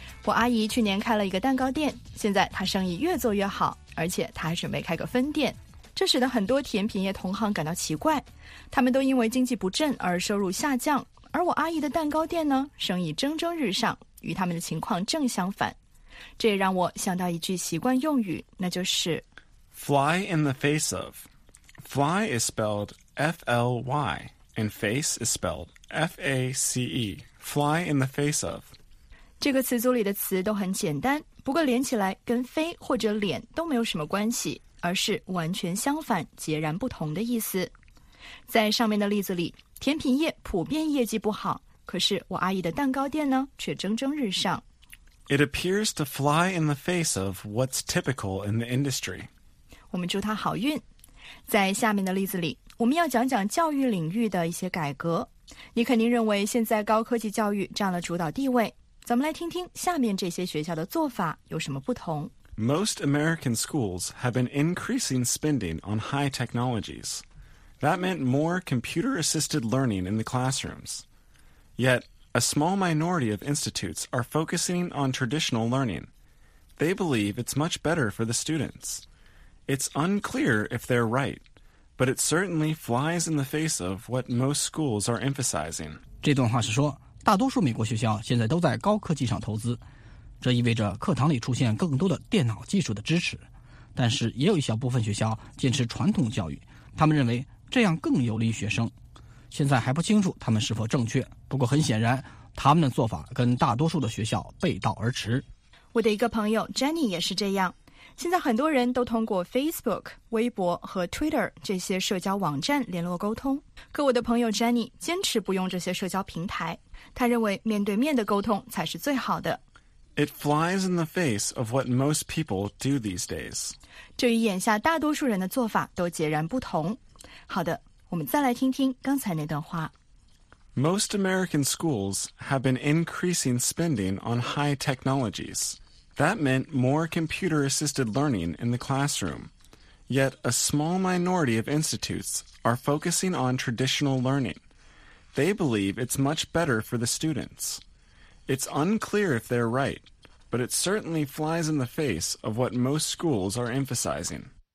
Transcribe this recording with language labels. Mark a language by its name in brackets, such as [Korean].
[Chinese] 我阿姨去年开了一个蛋糕店现在她生意越做越好而且她还准备开个分店这使得很多甜品业同行感到奇怪他们都因为经济不振而收入下降而我阿姨的蛋糕店呢生意蒸蒸日上与他们的情况正相反这也让我想到一句习惯用语那就是 [English] Fly in the face of Fly is spelled F-L-Y And face is spelled F-A-C-E Fly in the face of [Chinese] 这个词组里的词都很简单不过连起来跟飞或者脸都没有什么关系而是完全相反截然不同的意思在上面的例子里甜品业普遍业绩不好可是我阿姨的蛋糕店呢却蒸蒸日上 [English] It appears to fly in the face of what's typical in the industry [Chinese] 我们祝她好运在下面的例子里我们要讲讲教育领域的一些改革你肯定认为现在高科技教育占了主导地位咱们来听听下面这些学校的做法有什么不同 [English] Most American schools have been increasing spending on high technologies That meant more computer-assisted learning in the classroomsYet, a small minority of institutes are focusing on traditional learning. They believe it's much better for the students. It's unclear if they're right, but it certainly flies in the face of what most schools are emphasizing. [Chinese] 这段话是说，大多数美国学校现在都在高科技上投资，这意味着课堂里出现更多的电脑技术的支持。但是也有一小部分学校坚持传统教育，他们认为这样更有利于学生。现在还不清楚他们是否正确不过很显然他们的做法跟大多数的学校背道而驰我的一个朋友 Jenny 也是这样现在很多人都通过 Facebook 微博和 Twitter 这些社交网站联络沟通可我的朋友 Jenny 坚持不用这些社交平台他认为面对面的沟通才是最好的 [English] It flies in the face of what most people do these days [Chinese] 这与眼下大多数人的做法都截然不同好的我们再来听听刚才那段话。 [English] Most American schools have been increasing spending on high technologies. That meant more computer-assisted learning in the classroom. Yet a small minority of institutes are focusing on traditional learning. They believe it's much better for the students. It's unclear if they're right, but it certainly flies in the face of what most schools are emphasizing.